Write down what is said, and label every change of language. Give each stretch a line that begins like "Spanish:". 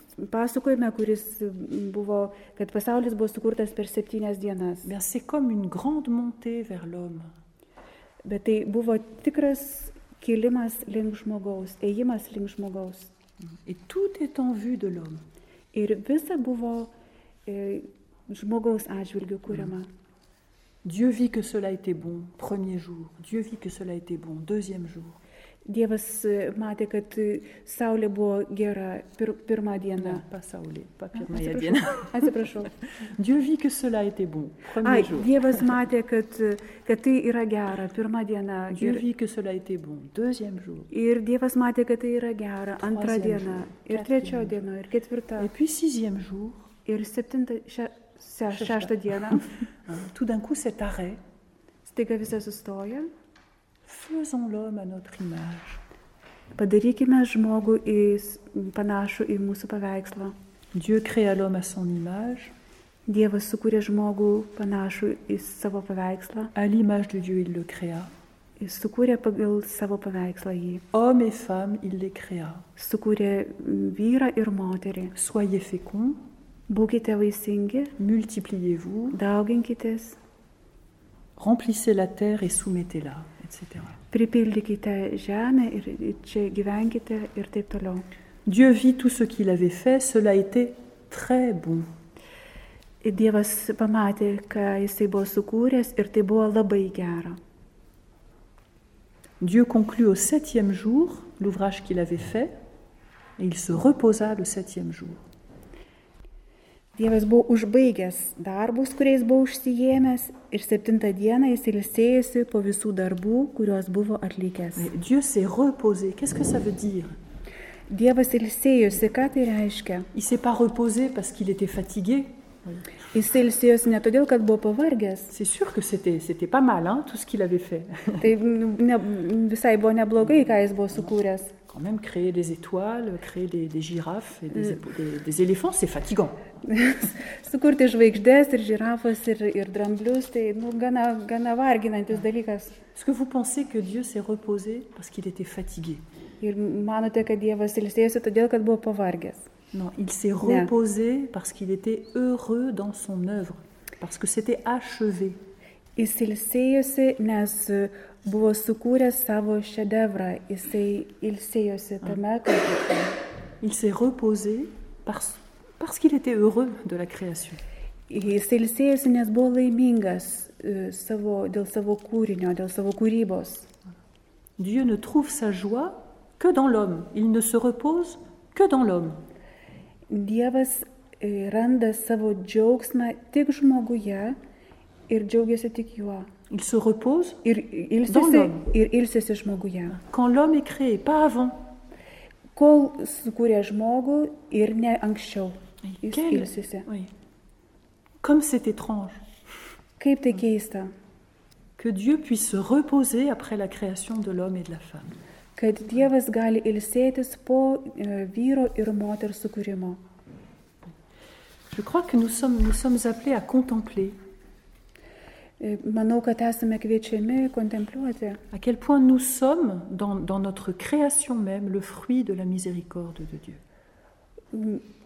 Lithuanian: Pasakojime, kuris buvo, kad pasaulis buvo sukurtas per septynias dienas.
French: Bien, c'est comme une grande montée vers l'homme.
Lithuanian: Bet tai buvo tikras kilimas link žmogaus, ėjimas link žmogaus.
French: Et tout est en vue de l'homme.
Lithuanian: Ir visa buvo žmogaus atžvilgiu kuriama.
French: Dieu vit que cela était bon, premier jour. Dieu vit que cela était bon, deuxième jour.
Lithuanian: Dievas matė, kad saulė buvo gera pirmą dieną. Ne, pas saulė, pas pirmąją dieną. Atsiprašau.
French: Dieu vit que cela était bon, premier jour.
Lithuanian: Dievas matė, kad tai yra gera pirmą dieną.
French: Dieu vit que cela était bon, deuxième jour.
Lithuanian: Ir Dievas matė, kad tai yra gera antrą dieną. Ir trečią dieną, ir ketvirtą.
French: Et puis sixième jour.
Lithuanian: Ir septintą, šeštą dieną.
French: Tout d'un coup cet arrêt.
Lithuanian: Staiga visa sustoja.
French: Faisons l'homme à notre image.
Lithuanian: Padarykime žmogų į panašų į mūsų paveikslą.
French: Dieu créa l'homme à son image.
Lithuanian: Dievas sukūrė žmogų panašų į savo paveikslą.
French: À l'image de Dieu il le créa.
Lithuanian: Jis sukūrė pagal savo paveikslą jį.
French: Homme et femme il les créa.
Lithuanian: Sukūrė vyrą ir moterį.
French: Soyez féconds.
Lithuanian: Būkite vaisingi.
French: Multipliez-vous.
Lithuanian: Dauginkitės.
French: Remplissez la terre et soumettez-la.
Lithuanian: Pripildykite žemę ir čia gyvenkite ir taip toliau.
French: Dieu vit tout ce qu'il avait fait, cela était très bon.
Lithuanian: Et Dievas pamatė, ką jisai buvo sukūręs ir tai buvo labai gera.
French: Dieu conclut au septième jour l'ouvrage qu'il avait fait et il se reposa le septième jour.
Lithuanian: Dievas buvo užbaigęs darbus, kuriais buvo užsijėmęs, ir septintą dieną jis ilsėjosi po visų darbų, kuriuos buvo atlikęs.
French: Mais Dieu s'est reposé. Qu'est-ce que ça veut dire?
Lithuanian: Dievas ilsėjosi, ką tai reiškia?
French: Il s'est pas reposé parce qu'il était fatigué.
Lithuanian: Jis ilsėjosi ne todėl, kad buvo pavargęs.
French: C'est sûr que c'était pas mal, hein, tout ce qu'il avait fait.
Lithuanian: Tai visai buvo neblogai, ką jis buvo sukūręs.
French: Quand même créer des étoiles, créer des girafes et des éléphants, c'est fatigant.
Lithuanian: Sukurti žvaigždes ir žirafas ir dramblius, tai nu gana varginantis dalykas.
French: Est-ce que vous pensez que Dieu s'est reposé parce qu'il était fatigué?
Lithuanian: Ir manote, kad Dievas ilsėjosi todėl, kad buvo pavargęs?
French: Non, il s'est reposé parce qu'il était heureux dans son œuvre, parce que c'était achevé.
Lithuanian: Jis ilsėjosi, nes buvo sukūręs savo šedevrą. Jisai ilsėjosi tame, kad...
French: Il s'est reposé parce qu'il était heureux de la création.
Lithuanian: Jis ilsėjosi, nes buvo laimingas dėl savo kūrinio, dėl savo kūrybos.
French: Dieu ne trouve sa joie que dans l'homme. Il ne se repose que dans l'homme.
Lithuanian: Dievas randa savo džiaugsmą tik žmoguje, ir džiaugiasi tik juo.
French: Il se repose
Lithuanian: ir ilsėsi žmoguje.
French: Quand l'homme est créé, pas avant.
Lithuanian: Kol sukūrė žmogų ir ne anksčiau. Ilsėsi.
French: Oui. Comme c'est étrange.
Lithuanian: Kaip tai keista.
French: Que Dieu puisse se reposer après la création de l'homme et de la femme.
Lithuanian: Kad Dievas gali ilsėtis po vyro ir moters sukūrimo.
French: Je crois que nous sommes appelés à contempler.
Lithuanian: Manau, kad esame kviečiami kontempliuoti.
French: À quel point nous sommes dans notre création même le fruit de la miséricorde de Dieu.